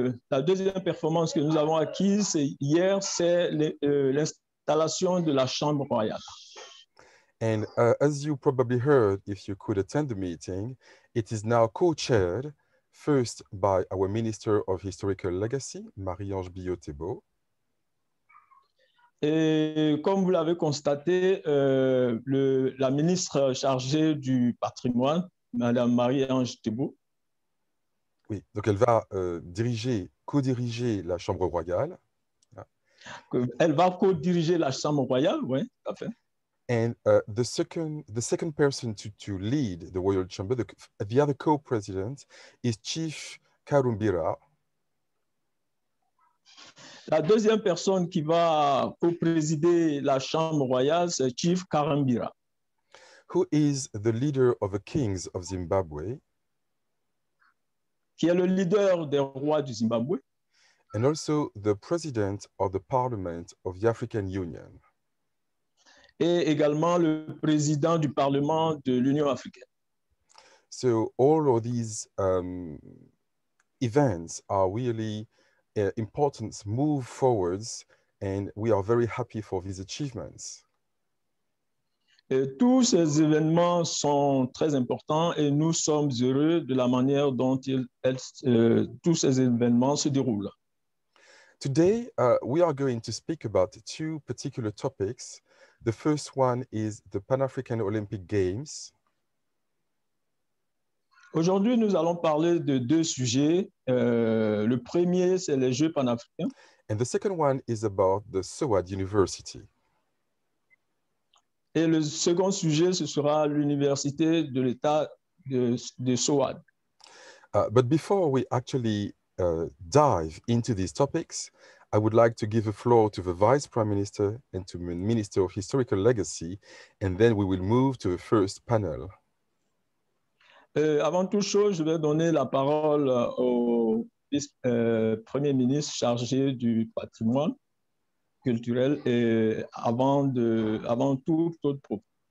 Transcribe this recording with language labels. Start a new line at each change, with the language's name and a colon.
French: La deuxième performance que nous avons acquise hier, c'est l'installation de la Chambre royale.
English: And as you probably heard, if you could attend the meeting, it is now co-chaired first by our Minister of Historical Legacy, Marie-Ange Biyotebo.
French: Et comme vous l'avez constaté, la ministre chargée du patrimoine, Madame Marie-Ange Biyotebo. Oui, donc elle va co-diriger la Chambre royale. Elle va co-diriger la Chambre royale, oui, tout à fait.
English: And the second person to lead the Royal Chamber, the other co-president, is Chief Karumbira.
French: La deuxième personne qui va co-présider la Chambre royale, c'est Chief Karumbira.
English: Who is the leader of the kings of Zimbabwe.
French: Qui est le leader des rois du Zimbabwe.
English: And also the president of the Parliament of the African Union.
French: Et également le président du Parlement de l'Union africaine.
English: So all of these events are really importance move forwards, and we are very happy for these achievements.
French: Et tous ces événements sont très importants et nous sommes heureux de la manière dont tous ces événements se déroulent.
English: Today, we are going to speak about two particular topics. The first one is the Pan-African Olympic Games.
French: Aujourd'hui, nous allons parler de deux sujets. Le premier, c'est les Jeux Pan-Africains.
English: And the second one is about the SOAD University.
French: Et le second sujet, ce sera l'université de l'État de SOAD.
English: But before we actually dive into these topics, I would like to give a floor to the Vice Prime Minister and to the Minister of Historical Legacy, and then we will move to the first panel.
French: Avant toute chose, je vais donner la parole au Premier ministre chargé du patrimoine culturel et avant toute autre propos.